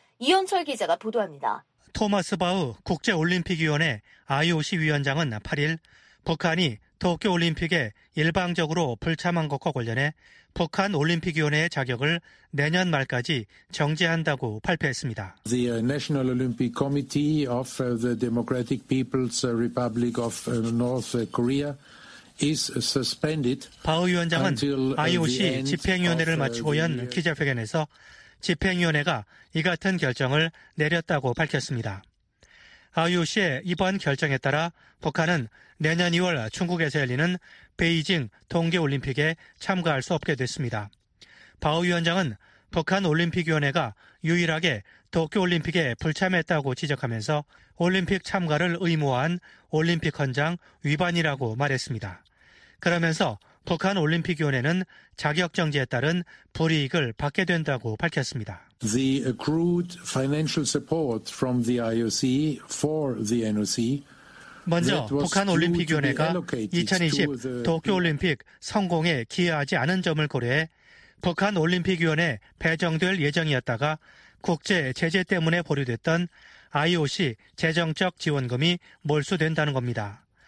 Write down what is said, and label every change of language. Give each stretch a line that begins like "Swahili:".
Korean: 이현철 기자가 보도합니다. 토마스 바흐 국제올림픽위원회 IOC 위원장은 8일 북한이 도쿄올림픽에 일방적으로 불참한 것과 관련해 북한 올림픽위원회의 자격을 내년 말까지 정지한다고 발표했습니다.
English: The National Olympic Committee of the Democratic People's Republic of North Korea is suspended.
Korean: 바흐 위원장은 IOC 집행위원회를 마치고 연 기자회견에서 집행위원회가 이 같은 결정을 내렸다고 밝혔습니다. IOC의 이번 결정에 따라 북한은 내년 2월 중국에서 열리는 베이징 동계올림픽에 참가할 수 없게 됐습니다. 바흐 위원장은 북한 올림픽위원회가 유일하게 도쿄올림픽에 불참했다고 지적하면서 올림픽 참가를 의무화한 올림픽 헌장 위반이라고 말했습니다. 그러면서 북한 올림픽위원회는 자격정지에 따른 불이익을 받게 된다고 밝혔습니다.
English: The accrued financial support from the IOC for the NOC.
Korean: 먼저 북한 올림픽위원회가 2020 도쿄올림픽 성공에 기여하지 않은 점을 고려해 북한 올림픽위원회 배정될 예정이었다가 국제 제재 때문에 보류됐던 IOC 재정적 지원금이 몰수된다는 겁니다.